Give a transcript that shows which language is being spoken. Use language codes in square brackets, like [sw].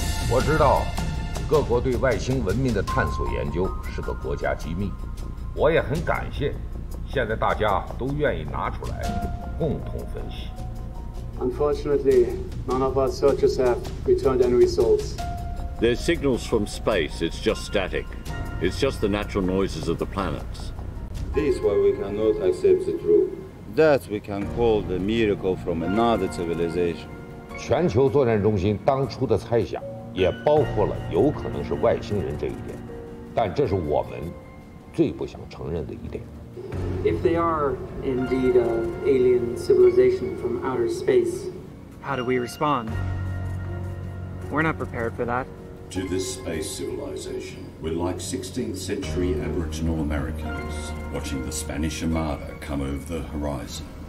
[zh] 我知道各国对外星文明的探索研究是个国家机密，我也很感谢现在大家都愿意拿出来共同分析。 [en] Unfortunately, none of our searches have returned any results. There's signals from space, it's just static. It's just the natural noises of the planets. This is why we cannot accept the truth. That we can call the miracle from another civilization. [zh] 全球作战中心当初的猜想也包括了有可能是外星人这一点，但这是我们最不想承认的一点。 [en] If they are indeed an alien civilization from outer space, how do we respond? We're not prepared for that. To this space civilization, we're like 16th century Aboriginal Americans watching the Spanish Armada come over the horizon.